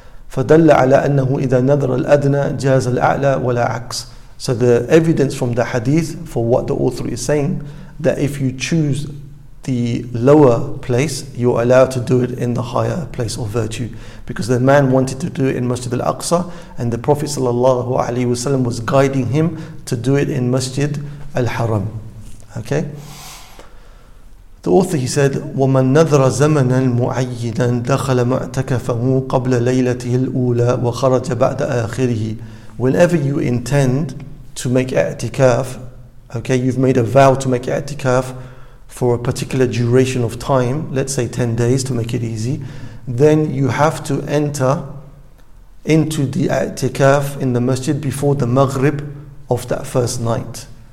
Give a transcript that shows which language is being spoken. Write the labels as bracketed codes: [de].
[ar] فدل على أنه إذا نذر الأدنى جاز الأعلى ولا عكس. [en] So the evidence from the hadith for what the author is saying, that if you choose the lower place, you're allowed to do it in the higher place of virtue. Because the man wanted to do it in Masjid al-Aqsa, and the Prophet sallallahu alaihi wasallam was guiding him to do it in Masjid al-Haram. Okay? The author, he said, [ar] وَمَنْ نَذْرَ زَمَنًا مُعَيِّنًا دَخَلَ مُعْتَكَفَهُ قَبْلَ لَيْلَتِهِ الْأُولَى وَخَرَجَ بَعْدَ آخِرِهِ. [en] Whenever you intend to make i'tikaf, okay, you've made a vow to make i'tikaf for a particular duration of time, let's say 10 days to make it easy, then you have to enter into the i'tikaf in the masjid before the maghrib of that first night.